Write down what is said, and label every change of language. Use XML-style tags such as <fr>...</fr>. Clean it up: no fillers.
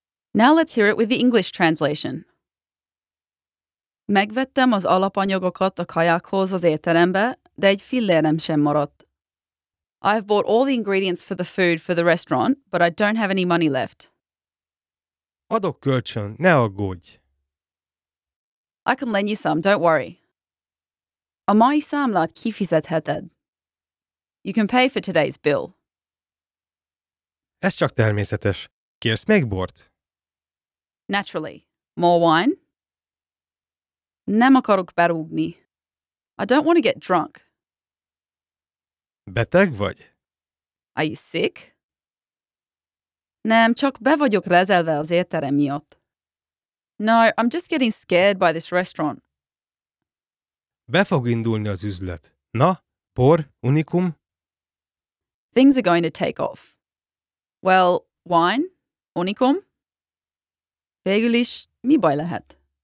<en>Now let's hear it with the English translation.</en> <hu>Megvettem az alapanyagokat a kajákhoz az étterembe, de egy fillérem sem maradt.</hu> <en>I've bought all the ingredients for the food for the restaurant, but I don't have any money left.</en> <hu>Adok kölcsön, ne aggódj.</hu> <en>I can lend you some, don't worry.</en> <hu>A mai számlát kifizetheted.</hu> <en>You can pay for today's bill.</en> <hu>Ez csak természetes. Kérsz még bort?</hu> <en>Naturally. More wine?</en> <hu>Nem akarok berúgni.</hu> <en>I don't want to get drunk.</en> <hu>Beteg vagy?</hu> <en>Are you sick?</en> <hu>Nem, csak be vagyok rezelve az étterem miatt.</hu> <en>No, I'm just getting scared by this restaurant.</en> <hu>Be fog indulni az üzlet. Na, por, unikum?</hu> <en>Things are going to take off. Well, wine, unikum?</en> <hu>Végül is, mi baj lehet?</hu>